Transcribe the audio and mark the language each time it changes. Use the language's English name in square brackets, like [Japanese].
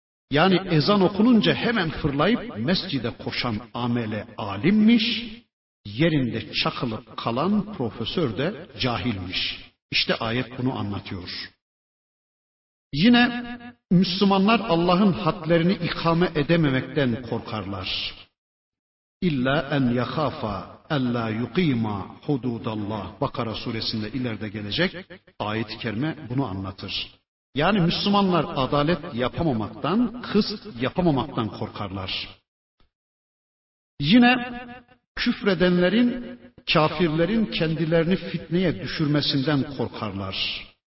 [Turkish] Yani ezan okununca hemen fırlayıp mescide koşan amele alimmiş, yerinde çakılıp kalan profesör de cahilmiş. İşte ayet bunu anlatıyor. Yine Müslümanlar Allah'ın hadlerini ikame edememekten korkarlar. [Arabic] إلا أن يخاف ألا يقيم حدود الله. [Turkish] Bakara suresinde ileride gelecek ayet-i kerime bunu anlatır. Yani Müslümanlar adalet yapamamaktan, kısıt yapamamaktan korkarlar. Yine küfredenlerin, kafirlerin kendilerini fitneye düşürmesinden korkarlar.